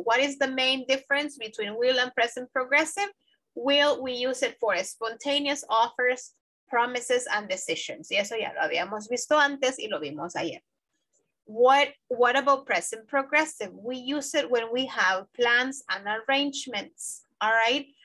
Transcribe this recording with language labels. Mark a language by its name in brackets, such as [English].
[English] What is the main difference between will and present progressive? Will, we use it for spontaneous offers, promises, and decisions. [Spanish] Y eso ya lo habíamos visto antes y lo vimos ayer. [English] What about present progressive? We use it when we have plans and arrangements, all right?